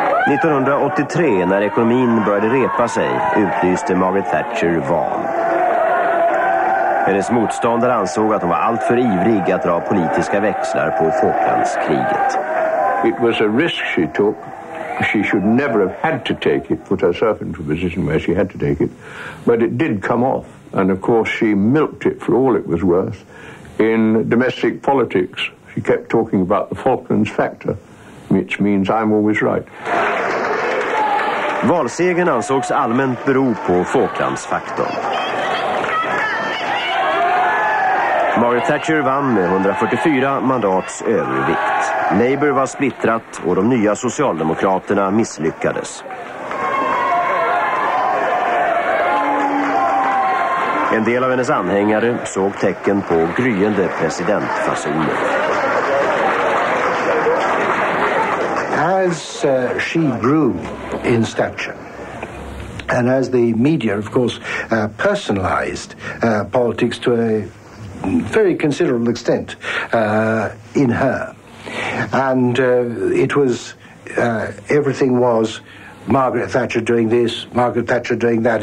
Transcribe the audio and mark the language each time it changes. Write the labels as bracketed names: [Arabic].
[Swedish] 1983, när ekonomin började repa sig, utlyste Margaret Thatcher val. Hennes motståndare ansåg att hon var alltför ivrig att dra politiska växlar på Falklandskriget. [English] It was a risk she took. She should never have had to take it, put herself into a position where she had to take it. But it did come off. And of course she milked it for all it was worth in domestic politics. She kept talking about the Falklands factor, which means I'm always right. [Swedish] Valsegern ansågs allmänt bero på Falklandsfaktorn. Margaret Thatcher vann med 144 mandats övervikt. Labour var splittrat och de nya socialdemokraterna misslyckades. En del av hennes anhängare såg tecken på gryende presidentfasoner. [English] As she grew in stature, and as the media, of course, personalized politics to a very considerable extent in her, and it was everything was Margaret Thatcher doing this, Margaret Thatcher doing that.